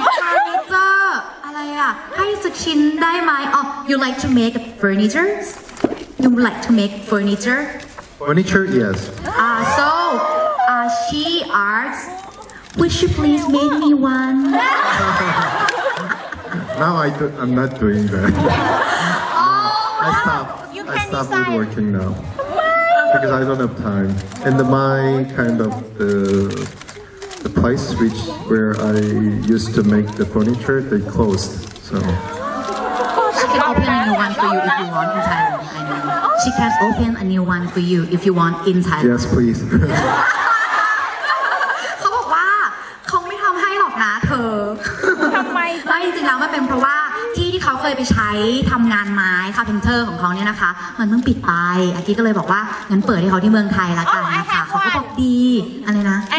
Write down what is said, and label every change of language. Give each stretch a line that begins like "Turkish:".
Thai: ทำมีชาร์เจอร์อะไรอ่ะให้สักชิ้นได้ไหมอ๋อ
English: you like to make furnituresYou like to make furniture? Furniture, yes. So, she asks, would she please make me one? Now I'm not doing that. I stopped. I stopped woodworking now. Because I don't have time. And my kind of the place which where I used to make the furniture, they closed. So. She can open a new one for you if you want in time. She can open a new one for you if you want in time. Yes, please.
Thai: เขาบอกว่าเขาไม่ทำให้หรอกนะเธอ ทำไม ไม่จริงแล้วมันเป็นเพราะว่าที่ที่เขาเคยไปใช้ทำงานไม้คาร์เพนเทอร์ของเขาเนี่ยนะคะมันเพิ่งปิดไปอาทิตย์ก็เลยบอกว่างั้นเปิดให้เขาที่เมืองไทยละกันนะคะเขาก็บอกดีอะไรนะ